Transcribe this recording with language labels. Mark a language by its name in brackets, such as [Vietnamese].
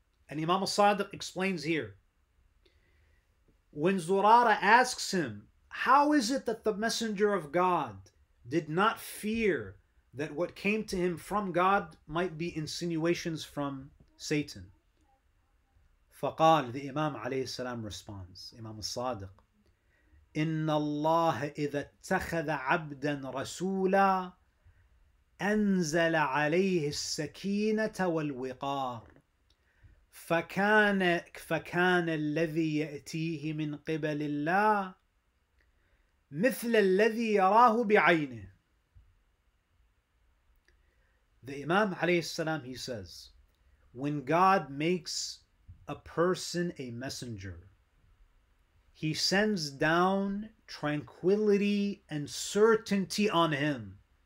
[English] And Imam al-Sadiq explains here, when Zurara asks him, how is it that the messenger of God did not fear that what came to him from God might be insinuations from Satan? [Arabic] Faqal, [English] the Imam alayhi salam responds, Imam al-Sadiq, [Arabic] إِنَّ اللَّهَ إِذَا اتَّخَذَ عَبْدًا رَسُولًا أَنزَلَ عَلَيْهِ السَّكِينَةَ وَالْوِقَارِ فَكَانَ الَّذِي يَأْتِيهِ مِنْ قِبَلِ اللَّهِ مِثْلَ الَّذِي يَرَاهُ بِعَيْنِهِ. [English] The Imam عليه السلام, he says, when God makes a person a messenger, he sends down tranquility and certainty on him.